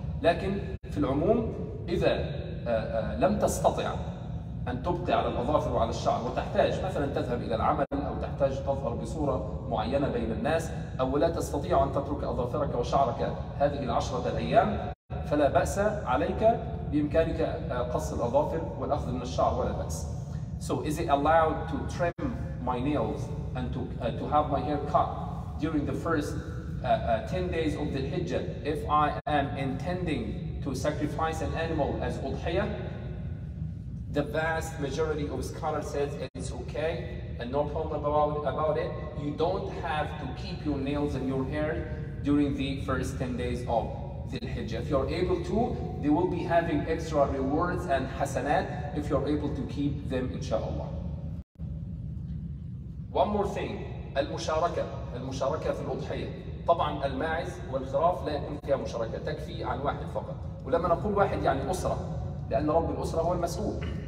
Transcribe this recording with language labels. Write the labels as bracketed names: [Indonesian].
[Arabic] لكن في العموم إذا لم تستطع أن تبقي على الأظافر وعلى الشعر وتحتاج مثلا تذهب إلى العمل أو تحتاج تظهر بصورة معينة بين الناس أو لا تستطيع أن تترك أظافرك وشعرك هذه العشرة الأيام، فلا بأس عليك، بإمكانك قص الأظافر والأخذ من الشعر ولا بأس. [English] So is it allowed to trim my nails and to have my hair cut during the first 10 days of the Hijjah if I am intending to sacrifice an animal as udhiyah? The vast majority of scholars says it's okay and no problem about it. You don't have to keep your nails and your hair during the first 10 days of the Hijjah. If you are able to, they will be having extra rewards and hasanat if you are able to keep them, inshallah. One more thing, [Arabic] المشاركة في الأضحية. طبعا الماعز والخراف لا يكون فيها مشاركة، تكفي عن واحد فقط. ولما نقول واحد يعني أسرة، لأن رب الأسرة هو المسؤول.